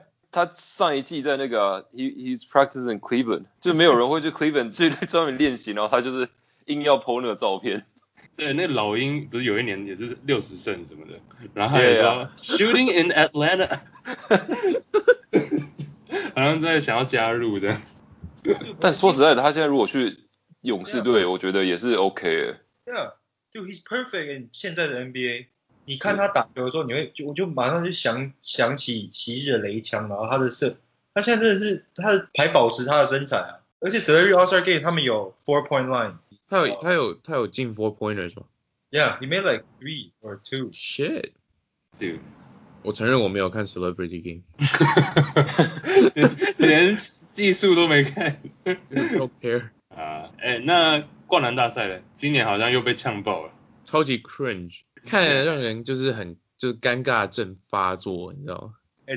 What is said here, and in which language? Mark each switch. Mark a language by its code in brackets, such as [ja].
[zh] 他上一季在那个 [en] he's practicing in Cleveland， [zh] 就没有人会去 Cleveland 去专门练习，然后他就是硬要 po 那个照片。对，那老鹰不是有一年也是60胜什么的，然后他也说、 [en] yeah. shooting in Atlanta [zh] 好像在想要加入的。但说实在的，他现在如果去勇士队， yeah. 我觉得也是 OK 的。 [en] Yeah， [zh] 就 [en] he's perfect in [zh] 现在的 [en] NBA。 [zh] 你看他打球的时候，我就马上就想起昔日的雷枪，然后他的射，他现在真的是他的还保持他的身材啊。而且 Celery All-Star Game 他们有 four point line，他有进 four pointers 吗 [en] ？Yeah， he made like three or two. Shit， dude。 [zh] 我承认我没有看 Celebrity Game，连技术都没看。 [en] Don't care。 [zh] 那灌篮大赛呢？今年好像又被呛爆了，超级 cringe， 看得让人就是很就是尴尬症发作，你知道吗？